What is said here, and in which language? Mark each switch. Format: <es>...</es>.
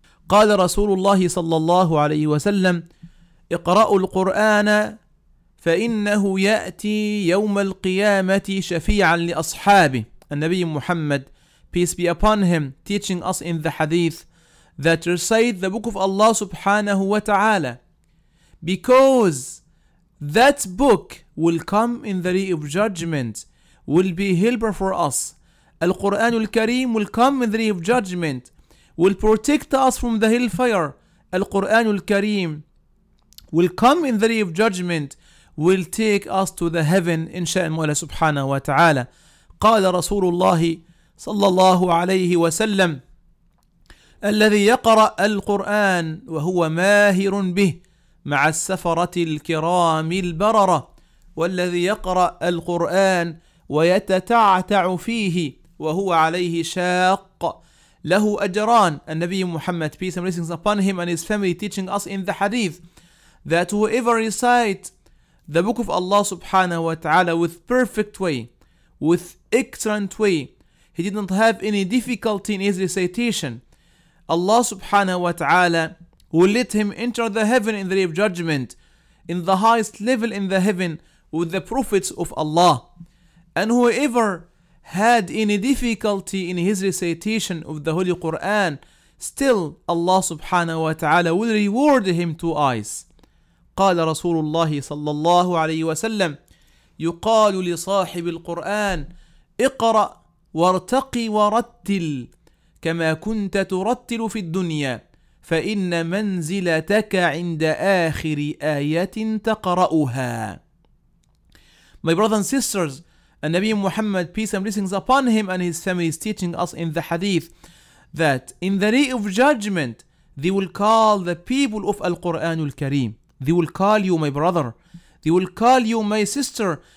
<ar>قال رسول الله صلى الله عليه وسلم اقرأوا القرآن فإنه يأتي يوم القيامة شفيعا لأصحابه.</ar> <en>النبي محمد, peace be upon him, teaching us in the hadith that recite the book of Allah subhanahu wa ta'ala, because that book will come in the day of judgment, will be helper for us. Al-Quran al-Kareem will come in the day of judgment, will protect us from the hellfire. Al-Quran al-Kareem will come in the day of judgment, will take us to the heaven, insha'a Mawla subhanahu wa ta'ala.</en> <ar>قال رسول الله صلى الله عليه وسلم الذي يقرأ القرآن وهو ماهر به مع السفرة الكرام البررة والذي يقرأ القرآن ويتتعتع فيه وهو عليه شاق له أجران.</ar> <en>النبي محمد, peace and blessings upon him and his family, teaching us in the hadith that whoever recite the book of Allah subhanahu wa ta'ala with perfect way, with excellent way, he didn't have any difficulty in his recitation, Allah subhanahu wa ta'ala will let him enter the heaven in the day of judgment, in the highest level in the heaven with the prophets of Allah. And whoever had any difficulty in his recitation of the Holy Quran, still Allah subhanahu wa ta'ala will reward him two eyes.</en> <ar>قال رسول الله صلى الله عليه وسلم يقال لصاحب القرآن اقرأ وارتقي ورتل كما كنت ترتل في الدنيا فإن منزلتك عند آخر آية تقرأها.</ar> <en>My brothers and sisters, and Nabi Muhammad, peace and blessings upon him and his family, is teaching us in the hadith that in the day of judgment, they will call the people of Al-Quran Al-Kareem. They will call you, my brother. They will call you, my sister.</en>